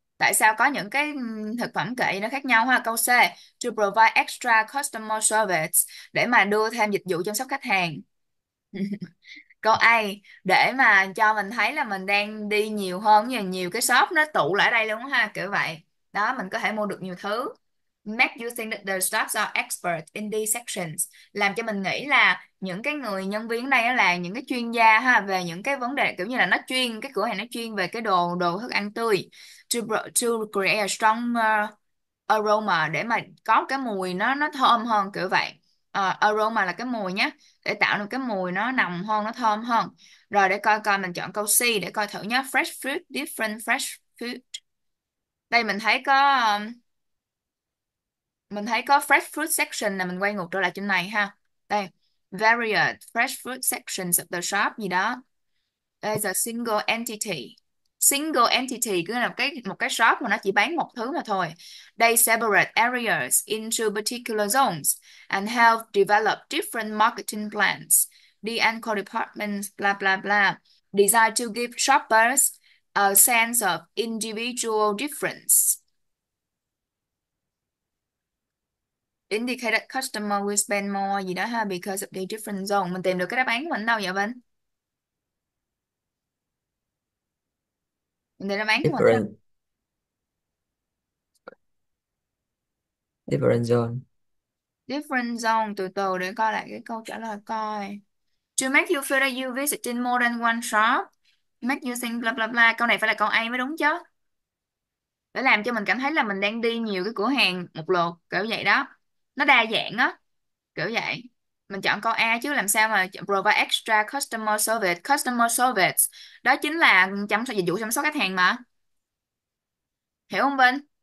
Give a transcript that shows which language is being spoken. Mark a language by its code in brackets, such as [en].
[vi] Tại sao có những cái thực phẩm kệ nó khác nhau ha? Câu C, [en] to provide extra customer service, [vi] để mà đưa thêm dịch vụ chăm sóc khách hàng. Câu A, để mà cho mình thấy là mình đang đi nhiều hơn, như nhiều cái shop nó tụ lại đây luôn ha, kiểu vậy. Đó, mình có thể mua được nhiều thứ. [en] Make you think that the shops are expert in these sections. [vi] Làm cho mình nghĩ là những cái người nhân viên ở đây là những cái chuyên gia ha, về những cái vấn đề kiểu như là nó chuyên, cái cửa hàng nó chuyên về cái đồ đồ thức ăn tươi. [en] To create a stronger aroma, [vi] để mà có cái mùi nó thơm hơn kiểu vậy. Aroma là cái mùi nhé, để tạo được cái mùi nó nồng hơn, nó thơm hơn. Rồi để coi coi mình chọn câu C để coi thử nhé. [en] Fresh fruit, different fresh food. [vi] Đây mình thấy có fresh fruit section, là mình quay ngược trở lại trên này ha. Đây, [en] various fresh fruit sections of the shop [vi] gì đó. [en] There's a single entity. Single entity [vi] cứ là một cái shop mà nó chỉ bán một thứ mà thôi. [en] They separate areas into particular zones and help develop different marketing plans. The and core departments, blah blah blah. Designed to give shoppers a sense of individual difference. Indicated customer will spend more [vi] gì đó ha, [en] because of the different zone. [vi] Mình tìm được cái đáp án của mình đâu vậy Vinh? Mình tìm đáp án của mình [en] Different zone. ha. Different zone, [vi] từ từ để coi lại cái câu trả lời coi. [en] To make you feel that you visit in more than one shop, make you think blah blah blah. [vi] Câu này phải là câu A mới đúng chứ. Để làm cho mình cảm thấy là mình đang đi nhiều cái cửa hàng một lượt, kiểu vậy đó. Nó đa dạng á, kiểu vậy. Mình chọn câu A chứ làm sao mà [en] provide extra customer service. [vi] Customer service đó chính là chăm sóc, dịch vụ chăm sóc khách hàng mà. Hiểu không Vinh?